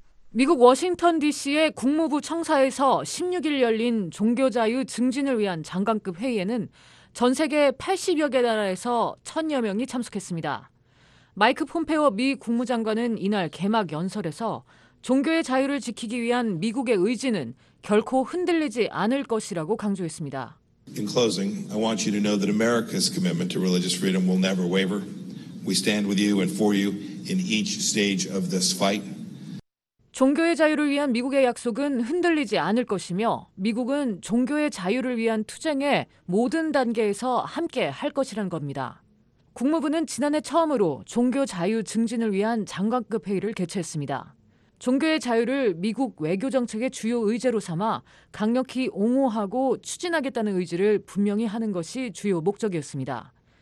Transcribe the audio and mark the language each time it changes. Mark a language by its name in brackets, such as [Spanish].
[Korean] 미국 워싱턴 DC의 국무부 청사에서 16일 열린 종교자유 증진을 위한 장관급 회의에는 전 세계 80여 개 나라에서 1,000여 명이 참석했습니다. 마이크 폼페오 미 국무장관은 이날 개막 연설에서 종교의 자유를 지키기 위한 미국의 의지는 결코 흔들리지 않을 것이라고 강조했습니다. [English] In closing, I want you to know that America's commitment to religious freedom will never waver. We stand with you and for you in each stage of this fight. [Korean] 종교의 자유를 위한 미국의 약속은 흔들리지 않을 것이며 미국은 종교의 자유를 위한 투쟁의 모든 단계에서 함께 할 것이란 겁니다. 국무부는 지난해 처음으로 종교 자유 증진을 위한 장관급 회의를 개최했습니다. 종교의 자유를 미국 외교 정책의 주요 의제로 삼아 강력히 옹호하고 추진하겠다는 의지를 분명히 하는 것이 주요 목적이었습니다.